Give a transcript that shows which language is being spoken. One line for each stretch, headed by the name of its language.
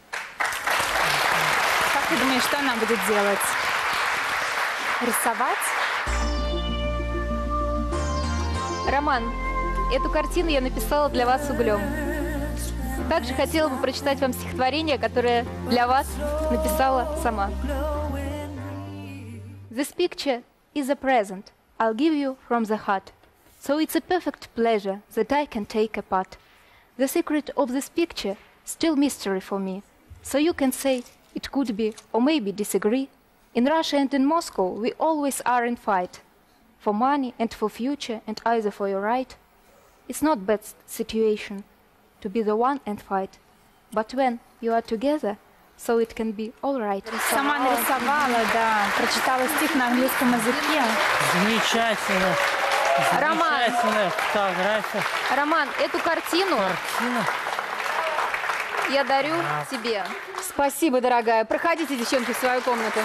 Russian: Как ты думаешь, что она будет делать? Рисовать? Роман, эту картину я написала для вас углем. Также хотела бы прочитать вам стихотворение, которое для вас написала сама.
English: This picture is a present I'll give you from the heart. So it's a perfect pleasure that I can take apart. The secret of this picture still mystery for me. So you can say it could be or maybe disagree. In Russia and in Moscow we always are in fight. For money and for future and either for your right. It's not best situation to be the one and fight. But when you are together, so it can be all right.
Russian: Сама нарисовала, да. Прочитала стих на английском языке. Замечательно. Замечательная фотография. Роман, эту картину... Картина. Я дарю тебе. Спасибо, дорогая. Проходите, девчонки, в свою комнату.